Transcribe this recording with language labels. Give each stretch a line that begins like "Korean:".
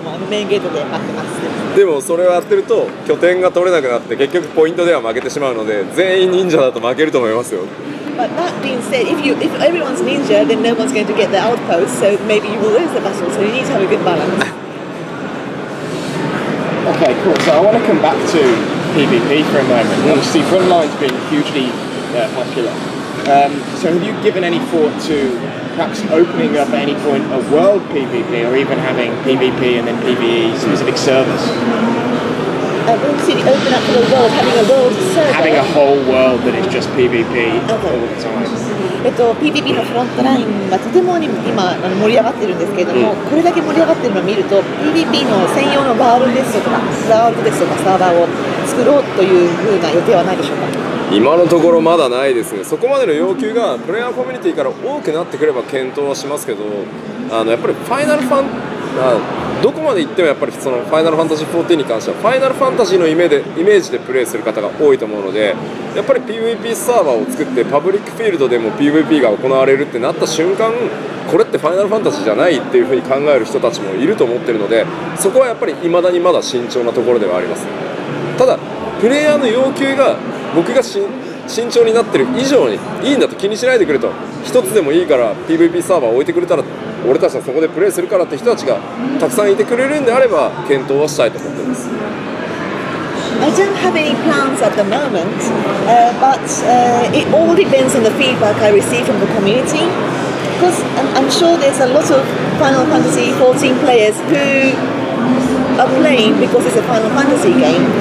Japanese: でもそれをやってると拠点が取れなくなって結局ポイントでは負けてしまうので全員忍者だと負けると思いますよ。
English: But that being said, if everyone's ninja, then no one's going to get the outpost. So maybe you will lose the battle. So you need to have a good balance. Okay, cool. So I want to come back to PvP for a moment. Obviously, frontline's been hugely popular. So have you given any thought to perhaps opening up at any point a world PvP or even having PvP and then PvE specific servers? Open up for the world, having a world server? Having a whole world that is just PvP all the time.
Japanese: PvP のフロントラインがとても今盛り上がっているんですけれども、これだけ盛り上がっているのを見ると、PvP の専用のバールですとか、サーブですとか、サーバーを作ろうというふうな予定はないでしょうか。今のところまだないですね。そこまでの要求がプレイヤーコミュニティから多くなってくれば検討はしますけど、やっぱりファイナルファン、どこまで行ってもやっぱりそのファイナルファンタジー14に関してはファイナルファンタジーのイメージでプレイする方が多いと思うので、やっぱり PVP サーバーを作ってパブリックフィールドでも PVP が行われるってなった瞬間、これってファイナルファンタジーじゃないっていうふうに考える人たちもいると思ってるので、そこはやっぱり未だにまだ慎重なところではあります。ただプレイヤーの要求が僕が慎重になってる以上にいいんだと気にしないでくれと、一つでもいいから PVP サーバー置いてくれたら俺たちはそこでプレイするからって人たちがたくさんいてくれるんであれば検討はしたいと思ってます。
English: I don't have any plans at the moment, but it all depends on the feedback I receive from the community. Because I'm sure there's a lot of Final Fantasy XIV players who are playing because it's a Final Fantasy game.